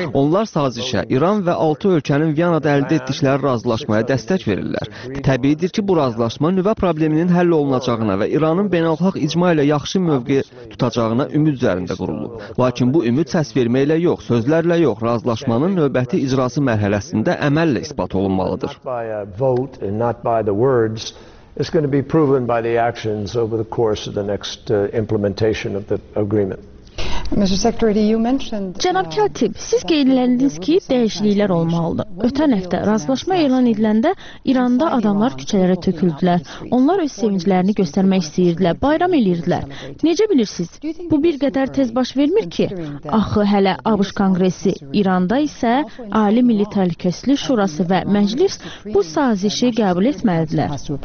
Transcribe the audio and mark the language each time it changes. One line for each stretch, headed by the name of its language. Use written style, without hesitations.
Azerbaijani: Onlar sazişə, İran və 6 ölkənin Viyanada əldə etdikləri razılaşmaya dəstək verirlər. Təbiidir ki, bu razılaşma nüvə probleminin həll olunacağına və İranın beynəlxalq icma ilə yaxşı mövqe tutacağına ümid üzərində qurulub. Lakin bu ümid səs vermə ilə yox, sözlərlə yox, razılaşmanın növbəti icrası mərhələsində əməllə ispat olunmalıdır.
English: Words is going to be proven by the actions over the course of the next implementation of the agreement. Mr. Secretary, you mentioned
Azerbaijani: Cənab Katib, siz qeyd etdiniz ki, dəyişikliklər olmalıdır. Ötən həftə razılaşma elan ediləndə İranda adamlar küçələrə töküldülər. Onlar öz sevinclərini göstərmək istəyirdilər, bayram eləyirdilər. Necə bilirsiniz? Bu bir qədər tez baş vermir ki? Axı hələ ABŞ Konqresi, İranda isə Ali Milli Təhlükəsizlik Şurası və Məclis bu sazişi qəbul etməlidirlər.